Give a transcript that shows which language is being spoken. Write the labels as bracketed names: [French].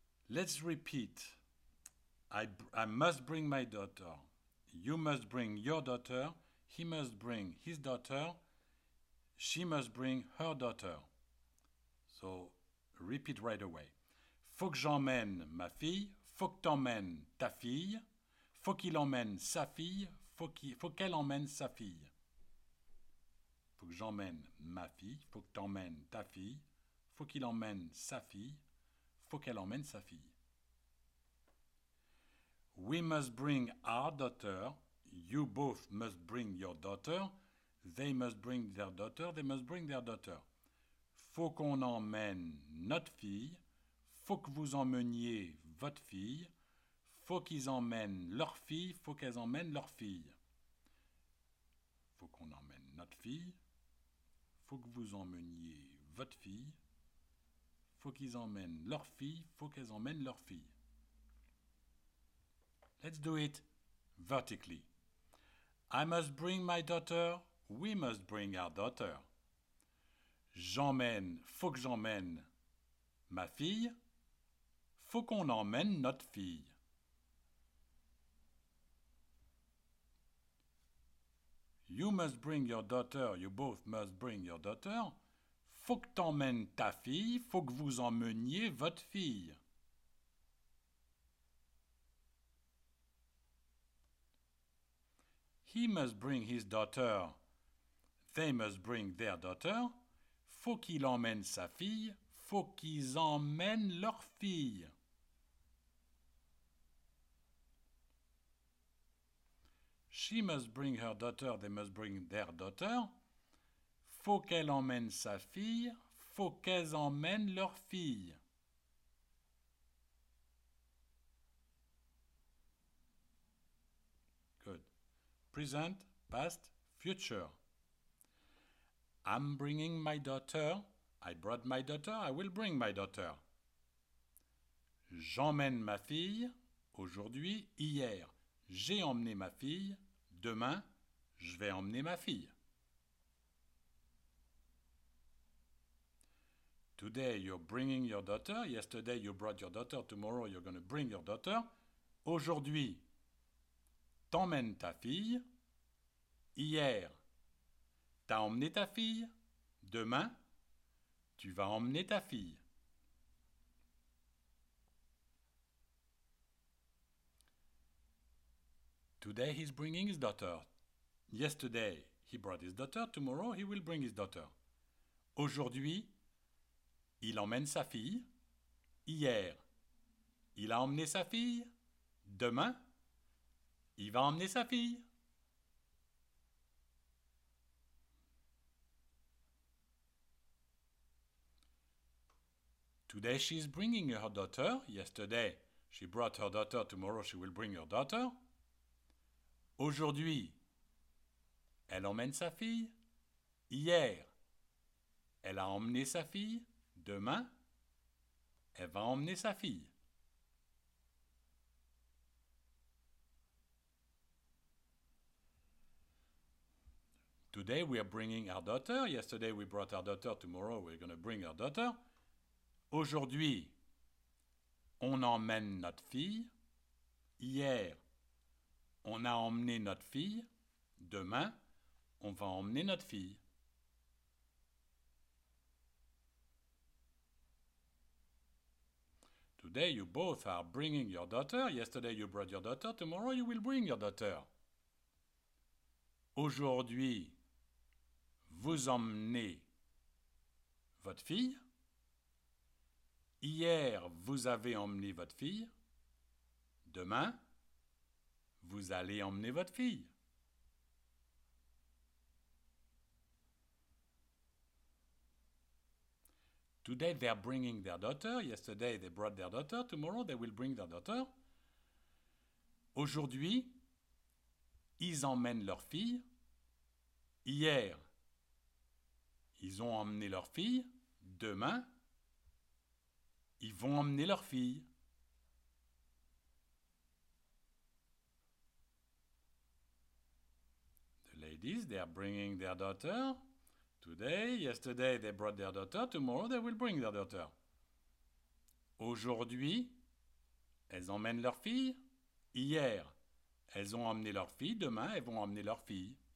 [English] Let's repeat. I must bring my daughter. You must bring your daughter. He must bring his daughter. She must bring her daughter. So repeat right away. [French] Faut que j'emmène ma fille. Faut que t'emmènes ta fille. Faut qu'il emmène sa fille. Faut qu'elle emmène sa fille. Faut que j'emmène ma fille. Faut que t'emmènes ta fille. Faut qu'il emmène sa fille. Faut qu'elle emmène sa fille. [English] We must bring our daughter. You both must bring your daughter. They must bring their daughter. They must bring their daughter. [French] Faut qu'on emmène notre fille. Faut que vous emmeniez votre fille. Faut qu'ils emmènent leur fille. Faut qu'elles emmènent leur fille. Faut qu'on emmène notre fille. Faut que vous emmeniez votre fille. Faut qu'ils emmènent leur fille. Faut qu'elles emmènent leur fille. [English] Let's do it vertically. I must bring my daughter. We must bring our daughter. [French] J'emmène, faut que j'emmène ma fille. Faut qu'on emmène notre fille. [English] You must bring your daughter. You both must bring your daughter. [French] Faut que t'emmènes ta fille. Faut que vous emmeniez votre fille. [English] He must bring his daughter. They must bring their daughter. [French] Faut qu'il emmène sa fille. Faut qu'ils emmènent leur fille. [English] She must bring her daughter. They must bring their daughter. [French] Faut qu'elle emmène sa fille. Faut qu'elles emmènent leur fille. [English] Good. Present, past, future. I'm bringing my daughter. I brought my daughter. I will bring my daughter. [French] J'emmène ma fille. Aujourd'hui, hier, j'ai emmené ma fille. Demain, je vais emmener ma fille. [English] Today, you're bringing your daughter. Yesterday, you brought your daughter. Tomorrow, you're going to bring your daughter. [French] Aujourd'hui, t'emmènes ta fille. Hier, t'as emmené ta fille. Demain, tu vas emmener ta fille. [English] Today he's bringing his daughter. Yesterday he brought his daughter. Tomorrow he will bring his daughter. [French] Aujourd'hui, il emmène sa fille. Hier, il a emmené sa fille. Demain, il va emmener sa fille. [English] Today she's bringing her daughter. Yesterday she brought her daughter. Tomorrow she will bring her daughter. [French] Aujourd'hui, elle emmène sa fille. Hier, elle a emmené sa fille. Demain, elle va emmener sa fille. [English] Today we are bringing our daughter. Yesterday we brought our daughter. Tomorrow we're going to bring our daughter. [French] Aujourd'hui, on emmène notre fille. Hier, on a emmené notre fille. Demain, on va emmener notre fille. [English] Today, you both are bringing your daughter. Yesterday, you brought your daughter. Tomorrow, you will bring your daughter. [French] Aujourd'hui, vous emmenez votre fille. Hier, vous avez emmené votre fille. Demain, vous allez emmener votre fille. [English] Today they are bringing their daughter. Yesterday they brought their daughter. Tomorrow they will bring their daughter. [French] Aujourd'hui, ils emmènent leur fille. Hier, ils ont emmené leur fille. Demain, ils vont emmener leur fille. [English] The ladies, they are bringing their daughter. Today, yesterday, they brought their daughter. Tomorrow, they will bring their daughter. [French] Aujourd'hui, elles emmènent leur fille. Hier, elles ont emmené leur fille. Demain, elles vont emmener leur fille.